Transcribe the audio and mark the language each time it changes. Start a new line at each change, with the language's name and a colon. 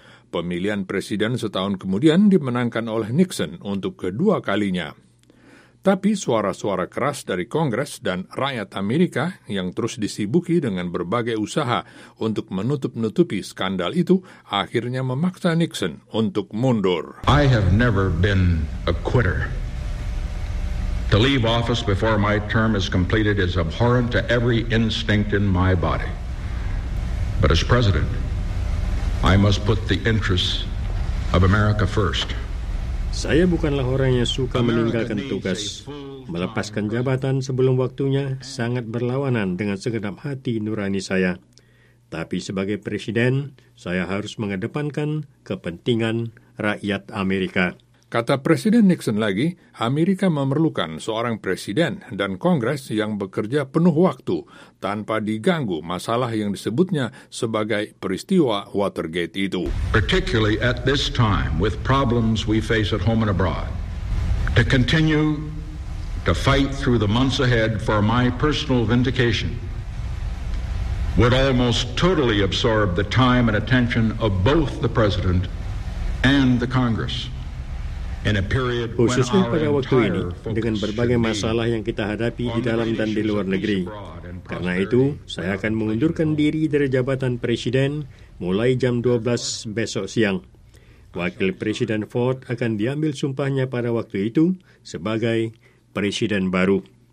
Indonesian: Pemilihan presiden setahun kemudian dimenangkan oleh Nixon untuk kedua kalinya. Tapi suara-suara keras dari Kongres dan rakyat Amerika yang terus disibuki dengan berbagai usaha untuk menutup-nutupi skandal itu akhirnya memaksa Nixon untuk mundur.
English: I have never been a quitter. To leave office before my term is completed is abhorrent to every instinct in my body. But as president, I must put the interests of America first.
Indonesian: Saya bukanlah orang yang suka meninggalkan tugas. Melepaskan jabatan sebelum waktunya sangat berlawanan dengan segenap hati nurani saya. Tapi sebagai presiden, saya harus mengedepankan kepentingan rakyat Amerika. Kata Presiden Nixon lagi, Amerika memerlukan seorang presiden dan kongres yang bekerja penuh waktu tanpa diganggu masalah yang disebutnya sebagai peristiwa Watergate itu.
English: Particularly at this time with problems we face at home and abroad. To continue to fight through the months ahead for my personal vindication would almost totally absorb the time and attention of both the president and the Congress.
Indonesian: Khususnya pada waktu ini, dengan berbagai masalah yang kita hadapi di dalam dan di luar negeri. Karena itu, saya akan mengundurkan diri dari jabatan Presiden mulai jam 12 besok siang. Wakil Presiden Ford akan diambil sumpahnya pada waktu itu sebagai Presiden baru.